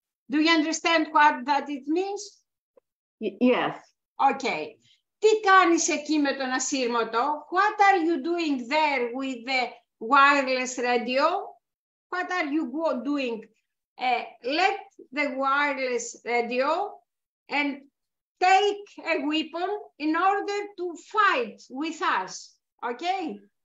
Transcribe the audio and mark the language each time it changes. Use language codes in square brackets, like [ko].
[en] Do you understand what that it means? Yes. Okay. [el] Τι κάνεις εκεί με τον ασύρματο? [en] What are you doing there with the wireless radio? What are you doing? Let the wireless radio and take a weapon in order to fight with us, okay?